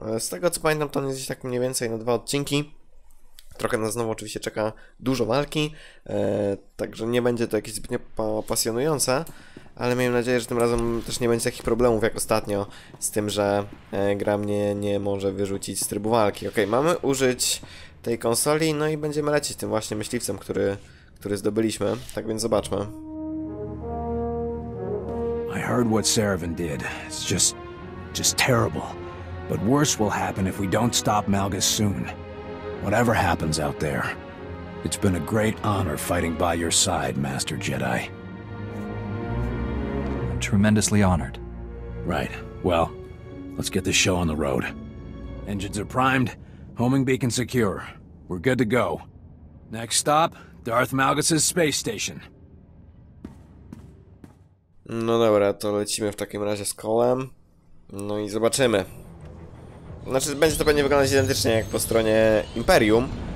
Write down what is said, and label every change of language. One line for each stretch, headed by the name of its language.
Polish: Z tego co pamiętam, to on jest tak mniej więcej na dwa odcinki. Trochę na znowu oczywiście czeka dużo walki, także nie będzie to jakieś zbytnio pasjonujące, ale miałem nadzieję, że tym razem też nie będzie takich problemów jak ostatnio z tym, że gra mnie nie może wyrzucić z trybu walki. Okej, mamy użyć tej konsoli, no i będziemy lecieć tym właśnie myśliwcem, który zdobyliśmy, tak więc zobaczmy.
English: I heard what Saravan did. It's just terrible. But worse will happen if we don't stop Malgus soon. Whatever happens out there, it's been a great honor fighting by your side, Master Jedi. I'm tremendously honored. Right. Well, let's get this show on the road. Engines are primed, homing beacon secure. We're good to go. Next stop, Darth Malgus's space station.
Polish: No dobra, to lecimy w takim razie z kołem. No i zobaczymy. Znaczy, będzie to pewnie wyglądać identycznie jak po stronie Imperium.